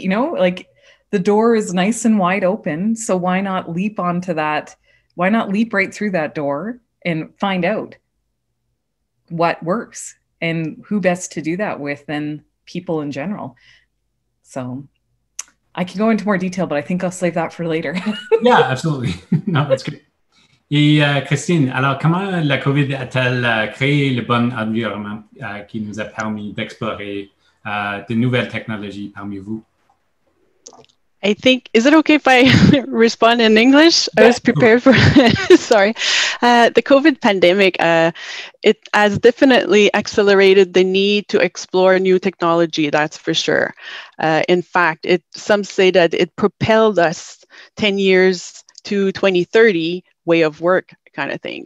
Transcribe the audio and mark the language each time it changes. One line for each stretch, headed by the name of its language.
English: You know, like the door is nice and wide open. So why not leap onto that? Why not leap right through that door and find out what works and who best to do that with than people in general? So I can go into more detail, but I think I'll save that for later. Yeah, absolutely. No, that's good.
French: Et Christine, alors comment la COVID a-t-elle créé le bon environnement qui nous a permis d'explorer de nouvelles technologies parmi vous?
English: I think, is it okay if I respond in English? I was prepared for, sorry. The COVID pandemic, it has definitely accelerated the need to explore new technology, that's for sure. In fact, some say that it propelled us 10 years to 2030 way of work kind of thing.